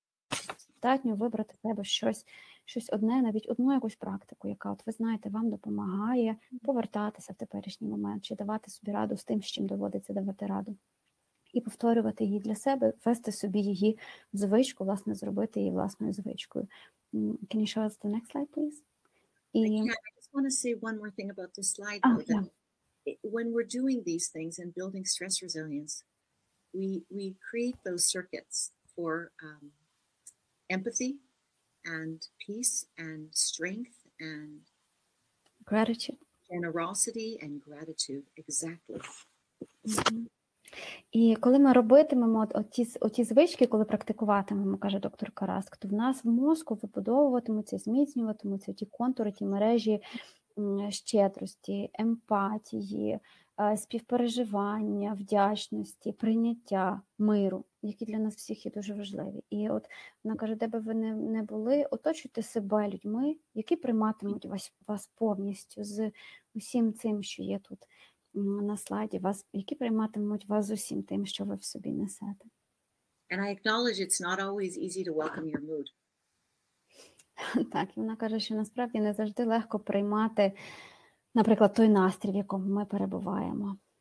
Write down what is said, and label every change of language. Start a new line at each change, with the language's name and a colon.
Ukrainian: Достатньо вибрати в себе щось одне, навіть одну якусь практику, яка, от ви знаєте, вам допомагає повертатися в теперішній момент, чи давати собі раду з тим, з чим доводиться давати раду. І повторювати її для себе, вести собі її в звичку, власне, зробити її власною звичкою.
English: Can you show us the next slide, please? I just want to say one more thing about this slide. When we're doing these things and building stress resilience, we create those circuits for empathy and peace and strength and gratitude, generosity and gratitude, exactly.
Ukrainian: І коли ми робитимемо оті звички, коли практикуватимемо, каже доктор Караск, то в нас в мозку вибудовуватимуться, зміцнюватимуться ті контури, ті мережі щедрості, емпатії, співпереживання, вдячності, прийняття, миру, які для нас всіх є дуже важливі. І от вона каже, де би ви не були, оточуйте себе людьми, які прийматимуть вас повністю з усім цим, що є тут на слайді, які прийматимуть вас з усім тим, що ви в собі несете.
English: And I acknowledge it's not always easy to welcome your mood.
Ukrainian: Так, і вона каже, що насправді не завжди легко приймати, наприклад, той настрій, в якому ми перебуваємо.